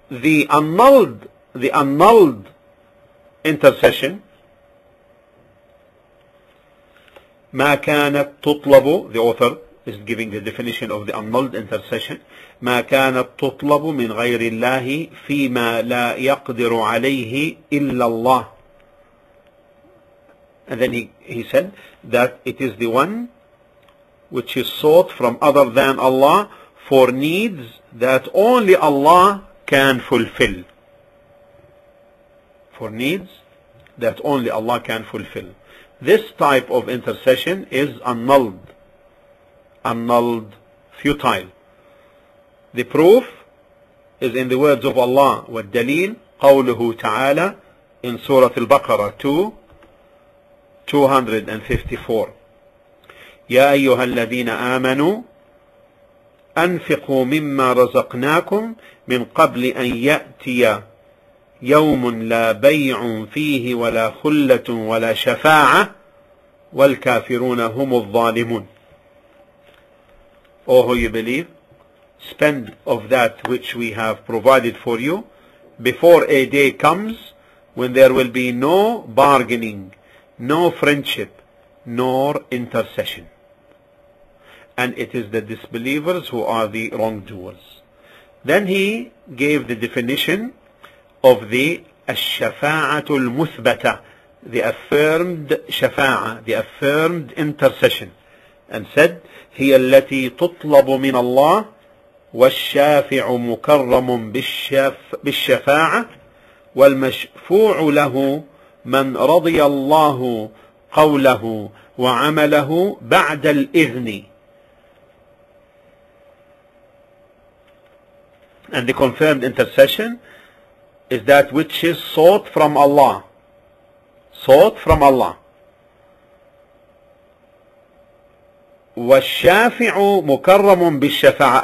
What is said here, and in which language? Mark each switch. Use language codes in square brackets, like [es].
[en] The annulled intercession, [ar] ما كانت تطلب, [en] the author is giving the definition of the annulled intercession, [ar] ما كانت تطلب من غير الله فيما لا يقدر عليه إلا الله. [en] And then he said that it is the one which is sought from other than Allah for needs that only Allah can fulfill. For needs that only Allah can fulfill. This type of intercession is annulled, annulled, futile. The proof is in the words of Allah, [ar] والدليل قوله تعالى [en] in Surah Al-Baqarah 2:254. [ar] يا أيها الذين آمنوا أنفقوا مما رزقناكم من قبل أن يأتي يوم لا بيع فيه ولا خلة ولا شفاعة والكافرون هم الظالمون. [en] O who you believe, spend of that which we have provided for you before a day comes when there will be no bargaining, no friendship, nor intercession. And it is the disbelievers who are the wrongdoers. Then he gave the definition of the [ar] الشَّفَاعَةُ الْمُثْبَتَةُ, [en] the affirmed [ar] شفاعه, [en] the affirmed intercession, and said, [ar] هي التي تطلب من الله والشافع مكرم بالشفاعة والمشفوع له من رضي الله قوله وعمله بعد الإذن. [en] And the confirmed intercession is that which is sought from Allah. Sought from Allah. [ar] وَالشَّافِعُ مُكَرَّمٌ بِالشَّفَاعَةِ.